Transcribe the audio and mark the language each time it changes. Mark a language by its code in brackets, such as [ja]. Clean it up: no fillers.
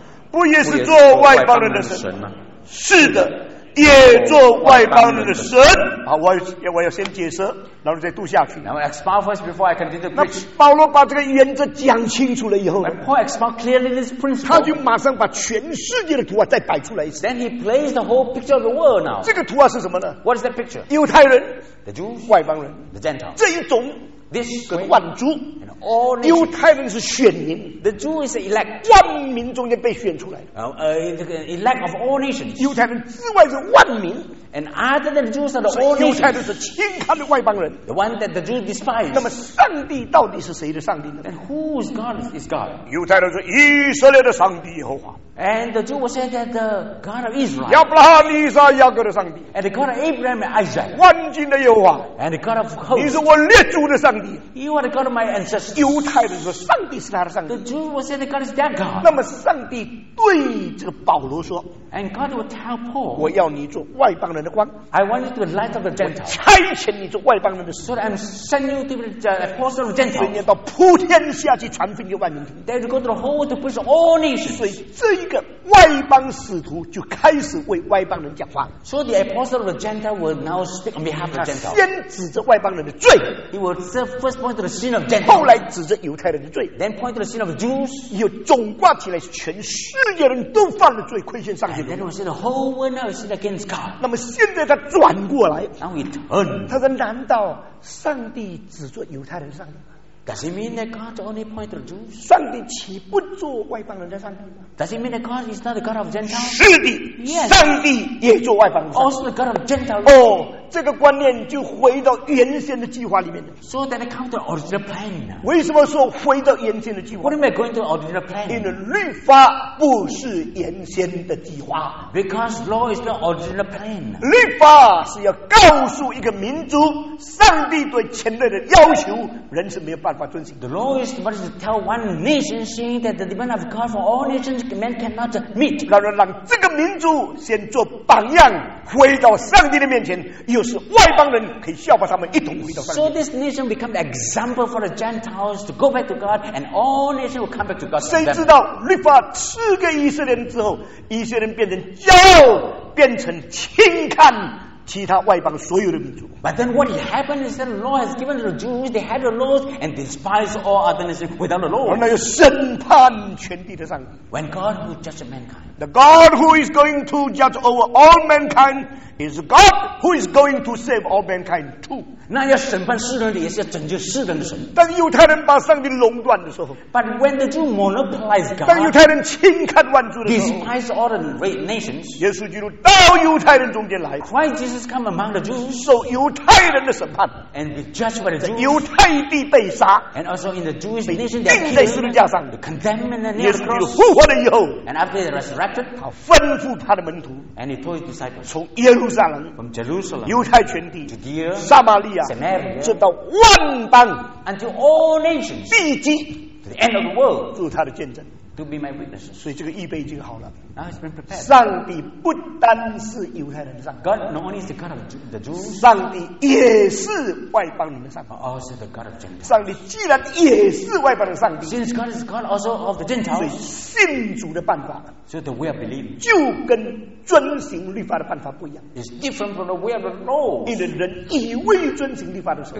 [zh] 不也是做外邦人的神吗？是的，也做外邦人的神。好，我要先解释，然后再读下去。 [en] Now expound first before I continue to preach. [zh] 那保罗把这个原则讲清楚了以后， [en] Paul expound clearly this principle. [zh] 他就马上把全世界的图画再摆出来一次。 [en] Then he plays the whole picture of the world now. [zh] 这个图画是什么呢？ [en] What is that picture? [zh] 犹太人， [en] the Jews, [zh] 外邦人， [en] the Gentiles. [zh] 这一种。 [en] This [zh] 跟万族 [en] and all nations, [zh] 犹太人是选民 [en] the Jew is elect, [zh] 万民中间被选出来的 [en] elect of all nations, [zh] 犹太人之外是万民 [en] and other than the Jews are the all nations, [zh] 犹太人是轻看的外邦人 [en] the one that the Jews despise, [zh] 那么上帝到底是谁的上帝呢 [en] and who is God is God, [zh] 犹太人是以色列的上帝耶和华 [en] and the Jew will say that the God of Israel, [zh] 亚伯拉罕以撒雅各的上帝 [en] and the God of Abraham and Isaac, [zh] 万军的耶和华 [en] and the God of hosts, [zh] 你是我列祖的上帝 [en] You are the God of my ancestors. [zh] 犹太人说上帝是他的上帝。 [en] The Jew will say that God is their God. [zh] 那么上帝对这个保罗说 [en] ，And God will tell Paul, [zh] 我要你做外邦人的光。 [en] I want you to be light of the Gentiles. [zh] 差遣你做外邦人的使徒。 [en] So I'm sending you to be the apostle of Gentiles. [zh] 所以你到普天下去传福音给万民听。 [en] They will go to the whole world to preach all nations. [zh] 所以这一个外邦使徒就开始为外邦人讲话。 [en] So the apostle of the Gentiles will now speak on behalf of the Gentiles. [zh] 先指着外邦人的罪。 [en] He will serve. First point to the sin of Gentiles. [zh] 后来指着犹太人的罪 [en] Then point to the sin of the Jews. [zh] 又总挂起来全世界人都犯了罪亏欠上帝 [en] And then we say the whole world now is against God. [zh] 那么现在他转过来 [en] Now he turned. [zh] 他说难道上帝只做犹太人的上帝吗 [en] Does he mean that God only point to the Jews? [zh] 上帝岂不做外邦人的上帝吗 [en] Does he mean that God is not the God of Gentiles? [zh] 是的、 [en] yes. [zh] 上帝也做外邦人的上帝 [en] Also the God of Gentiles. [zh] 哦、oh,这个观念就回到原先的计划里面的。 [en] So that it comes to the original plan. [zh] 为什么说回到原先的计划 [en] ？What am I going to the original plan? [zh] 因为律法不是原先的计划。 [en] Because law is the original plan. [zh] 律法是要告诉一个民族，上帝对前代的要求，人是没有办法遵行。 [en] The law is what is to tell one nation saying that the demand of God for all nations men cannot meet. [zh] 让这个民族先做榜样，回到上帝的面前。又是外邦人可以效法他们一同回到上帝。 [en] So this nation become the example for the Gentiles to go back to God, and all nations will come back to God. [zh] 谁知道律法赐给以色列人之后，以色列人变成骄傲，变成轻看其他外邦所有的民族。 [en] But then what happened is that the law has given the Jews they had the laws and despised all other nations without the law. [zh] 而那又审判全地的上帝。 [en] When God will judge mankind, the God who is going to judge over all mankind. Is God who is going to save all mankind too? [zh] 那要审判世人的也是要拯救世人的神。当犹太人把上帝垄断的时候 [en] ，But when the Jew monopolized God, [zh] 当犹太人轻看万族的时候 [en] ，Despise all the great nations, [zh] 耶稣基督到犹太人中间来 [en] ，Christ Jesus come among the Jews, [zh] 受犹太人的审判 [en] ，And be judged by the Jews, [zh] 在犹太地被杀 [en] ，And also in the Jewish nation, [zh] 被钉在十字架上 [en] ，Condemned and nailed to the cross. [zh] 耶稣复活了以后 [en] ，And after he resurrected, [zh] 他吩咐他的门徒 [en] ，And he told his disciples, [zh] 从耶路 [en] From Jerusalem, [zh] 犹太全地 [en] Judea, [zh] 撒玛利亚 [en] Samaria, [zh] 直到万邦 [en] until all nations, [zh] 必及 [en] to the end of the world, [zh] 做他的见证 [en] to be my witnesses. [zh] 所以这个预备已经好了 [en] Now it's been prepared. [zh] 上帝不单是犹太人的上帝 [en] God not only is the God of the Jews, [zh] 上帝也是外邦人的上帝 [en] but also the God of Gentiles. [zh] 上帝既然也是外邦的上帝 [en] Since God is God also of the Gentiles, [zh] 所以信主的办法 [en] So the way of believing, [zh] 就跟遵行律法的办法不一样 [en] It's different from the way of the law. [zh] 因为人以为遵行律法的时候